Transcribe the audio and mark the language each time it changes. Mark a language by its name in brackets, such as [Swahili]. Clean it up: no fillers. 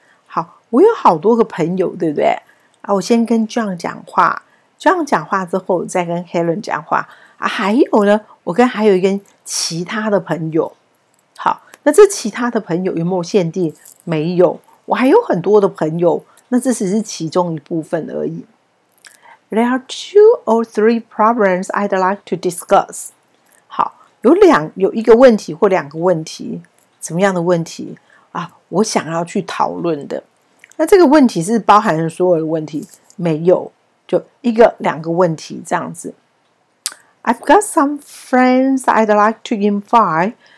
[Chinese] 好，我有好多个朋友，对不对？啊，我先跟 John 讲话， John 讲话之后再跟 Helen 讲话，啊，还有呢，我跟还有一个其他的朋友。好，那这其他的朋友有没有限定？没有，我还有很多的朋友，那这只是其中一部分而已。 [English] There are two or three problems I'd like to discuss。 [Chinese] 好，有一个问题或两个问题，什么样的问题啊？我想要去讨论的。那这个问题是包含了所有的问题？没有，就一个两个问题这样子。 [English] I've got some friends I'd like to invite。